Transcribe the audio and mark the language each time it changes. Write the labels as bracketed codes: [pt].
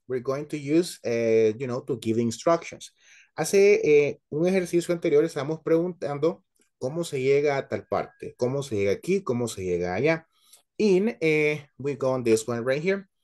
[en] We're going to use, you know, to give instructions. [es] Hace un ejercicio anterior estábamos preguntando cómo se llega a tal parte, cómo se llega aquí, cómo se llega allá. [en] In, we go on this one right here.